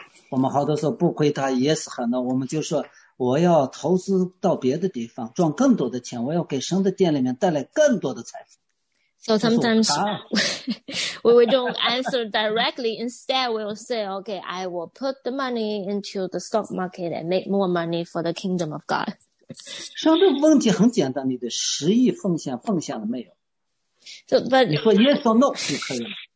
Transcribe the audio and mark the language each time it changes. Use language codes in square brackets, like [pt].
[zh] 我们好多时候不回答 yes 很多我们就说我要投资到别的地方赚更多的钱我要给神的殿里面带来更多的财富。 [en] So sometimes, we don't answer directly, instead we'll say, okay, I will put the money into the stock market and make more money for the kingdom of God. [zh] 神的问题很简单你的十亿奉献了没有 [en] so, but, [zh] 你说 [en] yes or no [zh] 就可以了。